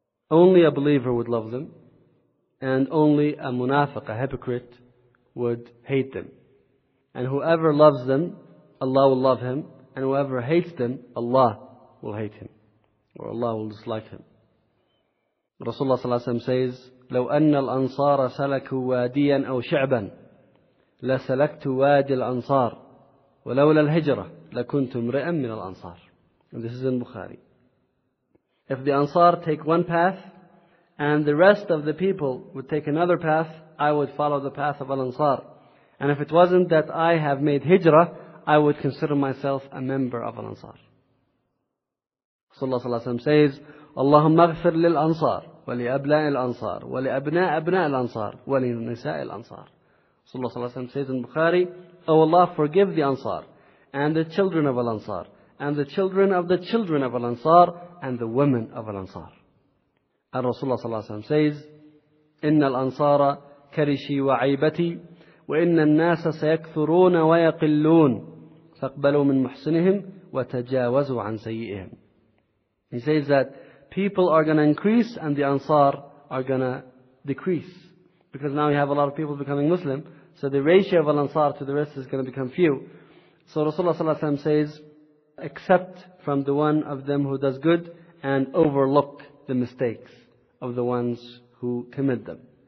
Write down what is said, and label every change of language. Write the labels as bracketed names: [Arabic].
[English] Only a believer would love them, and only a munafiq, a hypocrite, would hate them. And whoever loves them, Allah will love him, and whoever hates them, Allah will hate him, or Allah will dislike him. Rasulullah sallallahu alaihi wasallam says, [Arabic] لَوْ أَنَّ الْأَنْصَارَ سَلَكُوا وَادِيًا أَوْ شِعْبًا لَسَلَكْتُ وَادِي الْأَنْصَارِ وَلَوْلَا الْهِجْرَةُ لَكُنْتُمْ رِئًا مِنَ الْأَنصَارِ. [English] This is in Bukhari. If the Ansar take one path, and the rest of the people would take another path, I would follow the path of Al-Ansar. And if it wasn't that I have made hijrah, I would consider myself a member of Al-Ansar. Rasulullah sallallahu alayhi wa sallam says, [Arabic] اللهم اغفر للأنصار ولأبناء الأنصار ولأبناء أبناء الأنصار ولنساء الأنصار. صلى الله عليه وسلم سيدنا البخاري, [English] Oh Allah, forgive the Ansar and the children of Al-Ansar and the children of the children of Al-Ansar and the women of Al-Ansar. And Rasulullah [Arabic] صلى الله عليه وسلم [English] says, [Arabic] إِنَّ الْأَنْصَارَ كَرِشِي وَعَيْبَتِي وَإِنَّ النَّاسَ سَيَكْثُرُونَ وَيَقِلُّونَ فَاقْبَلُوا مِنْ مُحْسِنِهِمْ وَتَجَاوَزُوا عَنْ سَيِّئِهِمْ. [English] He says that people are going to increase and the Ansar are going to decrease. Because now you have a lot of people becoming Muslim, so the ratio of Al-Ansar to the rest is going to become few. So Rasulullah ﷺ says, accept from the one of them who does good and overlook the mistakes of the ones who commit them.